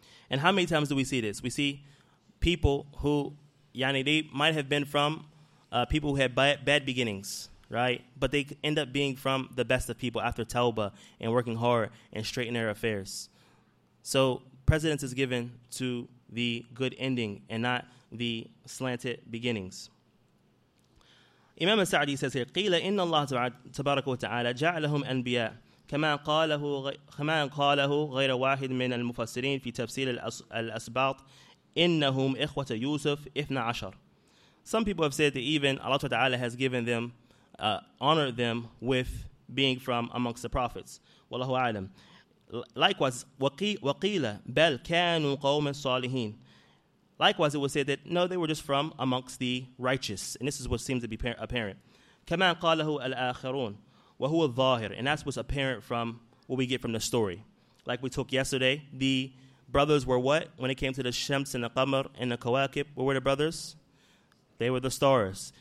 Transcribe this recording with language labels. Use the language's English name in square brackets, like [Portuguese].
[English] And how many times do we see this? We see people who, yani, they might have been from people who had bad beginnings, right? But they end up being from the best of people after tawbah and working hard and straightening their affairs. So precedence is given to the good ending and not the slanted beginnings. Imam al-Sa'di says here, [Arabic] قِيلَ إِنَّ اللَّهَ تَبَارَكُ وَتَعَالَى جَعَلَهُمْ أَنْبِيَاءَ كَمَا قَالَهُ غَيْرَ وَاحِدٍ مِنَ الْمُفَسِّرِينَ فِي تَفْسِيرِ الْأَسْبَاطِ إِنَّهُمْ إِخْوَةَ يُوسُفِ إِثْنَ عَشَرَ. [English] Some people have said that even Allah Ta'ala has given them, honored them with being from amongst the prophets. [Arabic] وَاللَّهُ أَعْلَمْ. [English] Likewise, [Arabic] وَقِيلَ بَلْ كَانُوا قَوْمًا صَالِحِينَ. [English] Likewise, it was said that, no, they were just from amongst the righteous. And this is what seems to be apparent. [Arabic] كَمَا قَالَهُ الْآخِرُونَ وَهُوَ الظَّاهِرُ. [English] And that's what's apparent from what we get from the story. Like we took yesterday, the brothers were what? When it came to the Shams and the Qamar and the Kawakib, what were the brothers? They were the stars.